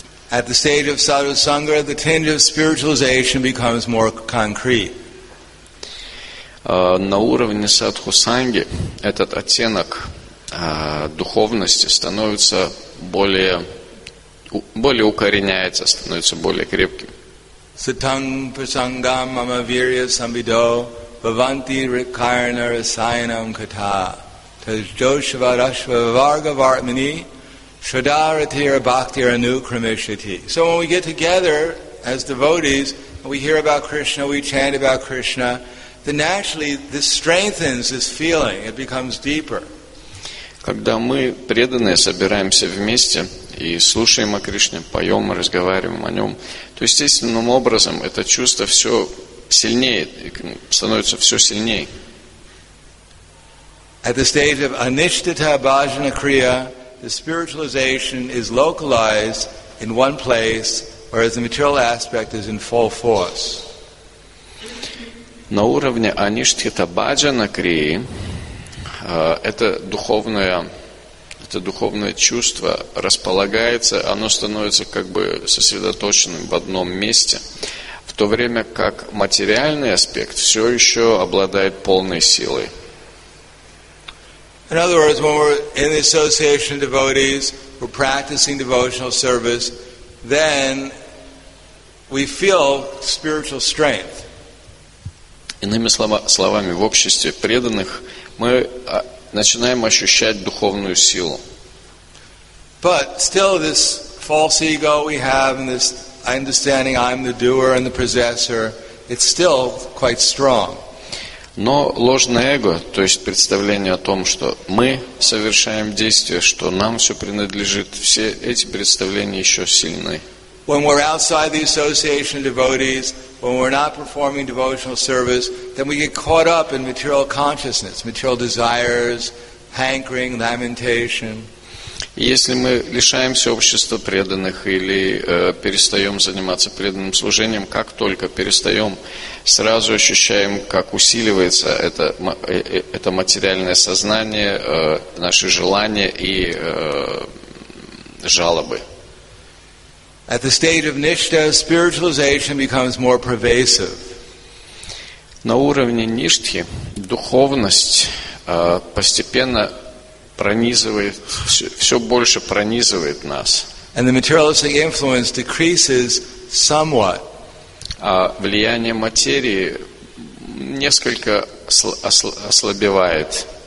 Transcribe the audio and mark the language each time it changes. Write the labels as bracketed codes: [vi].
[en] At the stage of sadhu sangha, the tinge of spiritualization becomes more concrete. [ru] На уровне садху санги этот оттенок духовности становится более укореняется, становится более крепким. [sa] Satang prasangam mama virya sambido bhavanti rikarna rasayanam katha tajoshvarashva varga vartmani. [en] So when we get together as devotees, we hear about Krishna, we chant about Krishna, then naturally this strengthens this feeling, it becomes deeper. [ru] Когда мы преданные собираемся вместе и слушаем о Кришне, поем, разговариваем о нем, то естественным образом это чувство все сильнее, становится все сильнее. [en] At the stage of anishtita bhajana kriya, the spiritualization is localized in one place, whereas the material aspect is in full force. [ru] На уровне анишхита баджана крии это духовное чувство располагается, оно становится как бы сосредоточенным в одном месте, в то время как материальный аспект все еще обладает полной силой. [en] In other words, when we're in the association of devotees, we're practicing devotional service, then we feel spiritual strength. [ru] Иными словами, в обществе преданных мы начинаем ощущать духовную силу. [en] But still this false ego we have and this understanding I'm the doer and the possessor, it's still quite strong. [ru] Но ложное эго, то есть представление о том, что мы совершаем действия, что нам все принадлежит, все эти представления еще сильны. [en] When we're outside the association of devotees, when we're not performing devotional service, then we get caught up in material consciousness, material desires, hankering, lamentation. [ru] Если мы лишаемся общества преданных или перестаем заниматься преданным служением, как только перестаем, сразу ощущаем, как усиливается это материальное сознание, наши желания и жалобы. [en] At the stage of nishtha, spiritualization becomes more pervasive. [ru] На уровне ништхи духовность постепенно пронизывает, все больше пронизывает нас. [en] And the materialistic influence decreases somewhat. [ru] А влияние материи несколько ослабевает.